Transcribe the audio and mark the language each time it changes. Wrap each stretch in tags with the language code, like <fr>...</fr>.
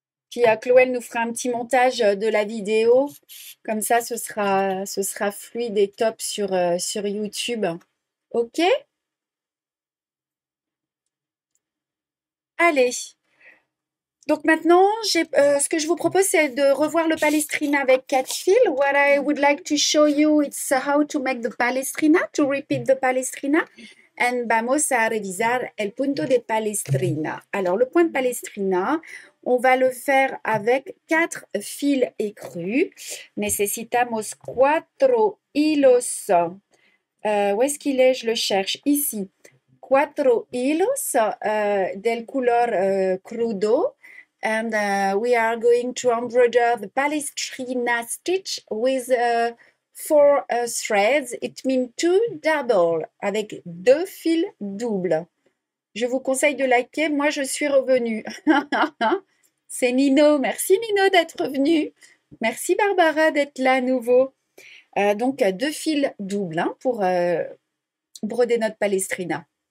<fr>Puis Chloé nous fera un petit montage de la vidéo. Comme ça, ce sera fluide et top sur YouTube. OK? Allez. Donc maintenant, ce que je vous propose, c'est de revoir le palestrina avec Catfield.</fr> <en>What I would like to show you is how to make the palestrina, to repeat the palestrina.</en> <es>And vamos a revisar el punto de palestrina.</es> <fr>Alors, le point de palestrina, on va le faire avec 4 fils écrus.</fr> <es>Necesitamos 4 hilos.</es> <fr>Où est-ce qu'il est? Je le cherche.</fr> <es>Ici. 4 hilos del color crudo.</es> <en>And we are going to embroider the palestrina stitch with 4 threads. It means 2 double,</en> <fr>avec 2 fils doubles. Je vous conseille de liker, moi je suis revenue. C'est Nino, merci Nino d'être venu. Merci Barbara d'être là à nouveau. Donc 2 fils doubles hein, pour broder notre palestrina.</fr>